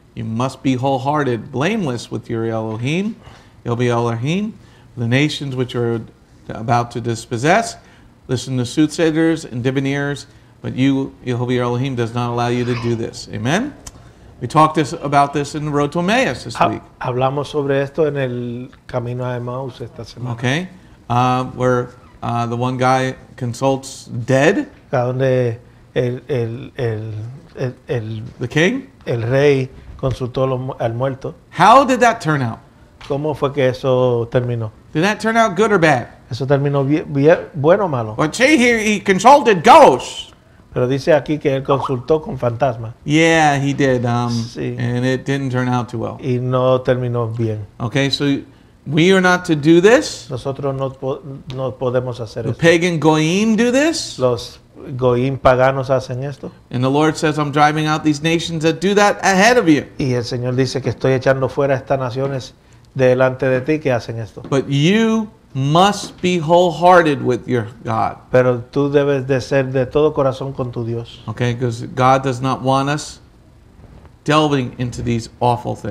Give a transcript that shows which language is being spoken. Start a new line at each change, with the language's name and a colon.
English: You must be wholehearted, blameless with your Elohim, Yahweh Elohim, the nations which are about to dispossess. Listen to soothsayers and diviners, but you, Yahweh Elohim, does not allow you to do this. Amen. We talked about this in the Road to Emmaus this week.
Spanish: Hablamos sobre esto en el Camino a Emmaus esta semana.
English: Okay, where the one guy consults dead.
Spanish: Donde el
English: the king?
Spanish: El rey consultó al muerto.
English: How did that turn out?
Spanish: ¿Cómo fue que eso terminó?
English: Did that turn out good or bad?
Spanish: Eso terminó bien, bueno o malo.
English: But see, he consulted ghosts.
Spanish: Pero dice aquí que él consultó con fantasma.
English: Yeah, he did.
Spanish: Sí.
English: And it didn't turn out too well.
Spanish: Y no terminó bien.
English: Okay, so We are not to do this.
Spanish: Nosotros no podemos hacer esto.
English: The pagan goyim do this.
Spanish: Los goyim paganos hacen esto.
English: And the Lord says, I'm driving out these nations that do that ahead of you.
Spanish: Y el Señor dice que estoy echando fuera estas naciones delante de ti que hacen esto.
English: But you must be wholehearted with your God.
Spanish: Pero tú debes de ser de todo corazón con tu Dios.
English: Okay, because God does not want us delving into these awful things.